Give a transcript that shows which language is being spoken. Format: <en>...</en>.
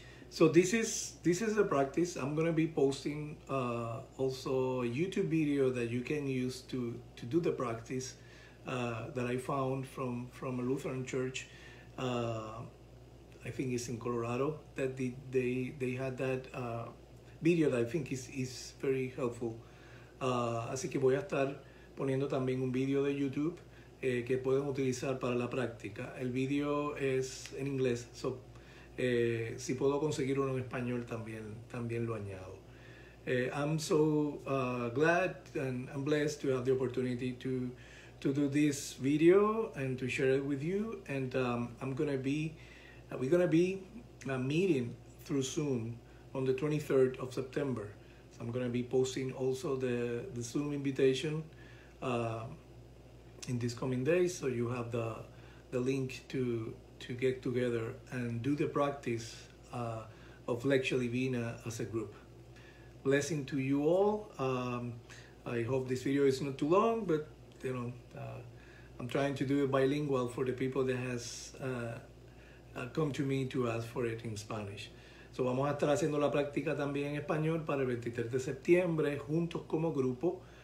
<en>So this is the practice. I'm going to be posting also a YouTube video that you can use to do the practice that I found from a Lutheran church. I think it's in Colorado that they had that video that I think is very helpful.</en> <es>Así que voy a estar poniendo también un video de YouTube que pueden utilizar para la práctica. El video es en inglés, so si puedo conseguir uno en español también lo añado.</es> <en>I'm so glad and I'm blessed to have the opportunity to do this video and to share it with you. And we're gonna be meeting through Zoom on the 23rd of September. So I'm gonna be posting also the Zoom invitation in these coming days, so you have the link to get together and do the practice of Lectio Divina as a group. Blessing to you all. I hope this video is not too long, but you know, I'm trying to do it bilingual for the people that has come to me to ask for it in Spanish.</en> <es>So vamos a estar haciendo la práctica también en español para el 23 de septiembre, juntos como grupo.</es>